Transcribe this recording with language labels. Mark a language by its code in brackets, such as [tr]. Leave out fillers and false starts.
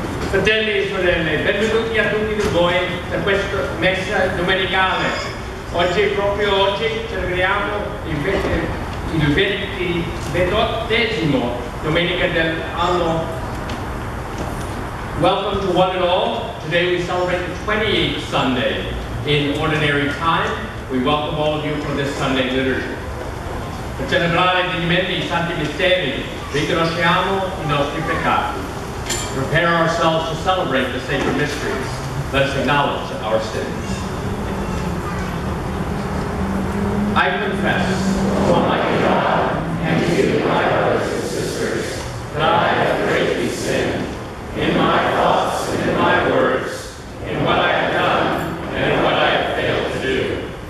[it] Fratelli e sorelle, benvenuti a tutti voi per questa messa domenicale. Oggi, proprio oggi, celebriamo il 28esimo domenica dell'anno. [en] Welcome to one and all. Today we celebrate the 28th Sunday in ordinary time. We welcome all of you for this Sunday liturgy. [it] Per celebrare dignamente I Santi Misteri, riconosciamo I nostri peccati. [en] Prepare ourselves to celebrate the sacred mysteries. Let us acknowledge our sins. I confess, Almighty God, and to you, my brothers and sisters, that I have greatly sinned in my thoughts and in my words, in what I have done and in what I have failed to do.